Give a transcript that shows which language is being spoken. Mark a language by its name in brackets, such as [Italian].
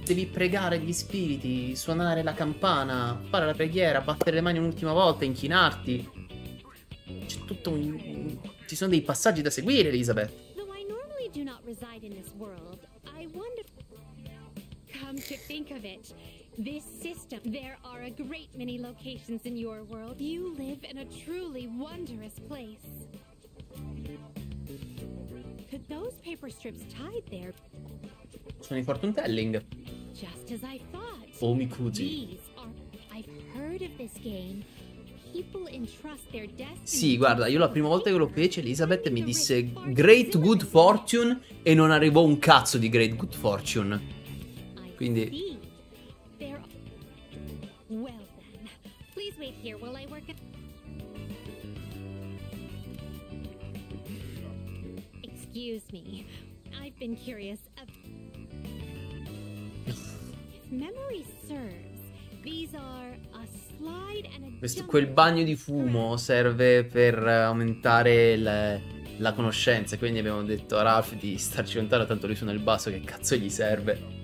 [Italian] Devi pregare gli spiriti, suonare la campana, fare la preghiera, battere le mani un'ultima volta, inchinarti. C'è tutto un... Ci sono dei passaggi da seguire, Elizabeth. [English] Come to think of it, this system, there are a great many locations in your world. You live in a truly wondrous place. Could those paper strips tied there? [Italian] Sono i [English] fortune telling. Just as I thought. [Japanese] Omikuji. [English] These are, I've heard of this game. People entrust their destiny. [Italian] Sì, guarda, io la prima volta che lo feci, Elizabeth mi disse [English] Great Good Fortune [Italian] e non arrivò un cazzo di Great Good Fortune. Quindi. [English] Well then, please wait here while I work. Excuse me, I've been curious. If memory serves, these are a slide and a. [Italian] Questo quel bagno di fumo serve per aumentare la conoscenza. Quindi abbiamo detto a Ralph di starci lontano, tanto lui suona il basso, che cazzo gli serve.